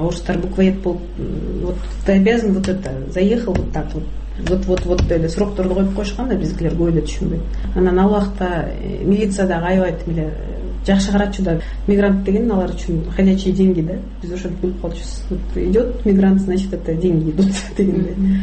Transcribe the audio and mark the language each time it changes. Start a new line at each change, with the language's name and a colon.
Kyrgyz: Орустар
Russian: буквоед
Kyrgyz: болуп,
Russian: вот ты обязан вот это заехал вот так вот.
Kyrgyz: Вот деле срокторду коюп коюшкан да, биздикилер көп эле түшүнбөйт. Анан ал убакта милиция дагы аябай тим эле жакшы каратчу да. Мигрант деген алар үчүн
Russian: ходячие деньги
Kyrgyz: да. Биз ошентип билип калчубуз.
Russian: Идет мигрант, значит это деньги идут
Kyrgyz: дегендей.